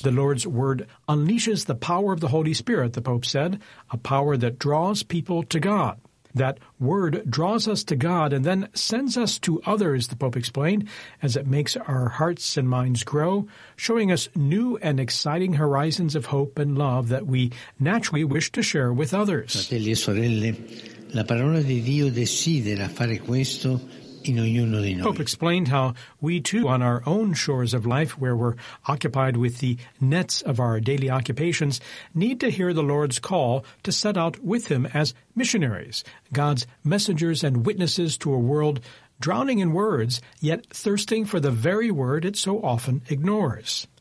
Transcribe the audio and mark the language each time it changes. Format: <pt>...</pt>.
<en>The Lord's Word unleashes the power of the Holy Spirit, the Pope said, a power that draws people to God. That Word draws us to God and then sends us to others, the Pope explained, as it makes our hearts and minds grow, showing us new and exciting horizons of hope and love that we naturally wish to share with others.</en> <it>Fratelli e sorelle, la parola di Dio desidera fare questo.</it> <en>Pope explained how we too, on our own shores of life, where we're occupied with the nets of our daily occupations, need to hear the Lord's call to set out with Him as missionaries, God's messengers and witnesses to a world drowning in words, yet thirsting for the very word it so often ignores.</en>